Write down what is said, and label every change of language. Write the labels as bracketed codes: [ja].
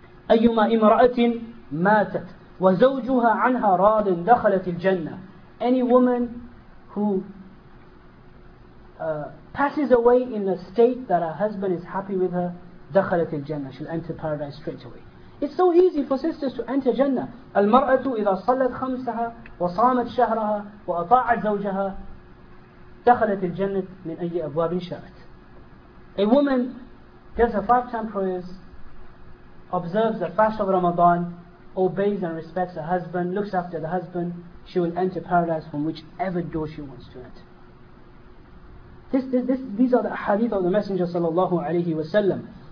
[ar] أَيُّمَا إِمْرَأَةٍ مَاتَتْ وَزَوْجُهَا عَنْهَا رَادٍ دَخَلَتِ الْجَنَّةِ. [en] Any woman who passes away in a state that her husband is happy with her, [ar] دَخَلَتِ الْجَنَّةِ, [en] she'll enter paradise straight away. It's so easy for sisters to enter Jannah. [ar] المرأة إذا صلت خمسها وصامت شهرها وأطاعت زوجها دخلت الجنة من أي أبواب شاءت. [en] A woman does her 5 time prayers, observes the fast of Ramadan, obeys and respects her husband, looks after the husband, she will enter paradise from whichever door she wants to enter. These are the hadith of the Messenger sallallahu alaihi wasallam.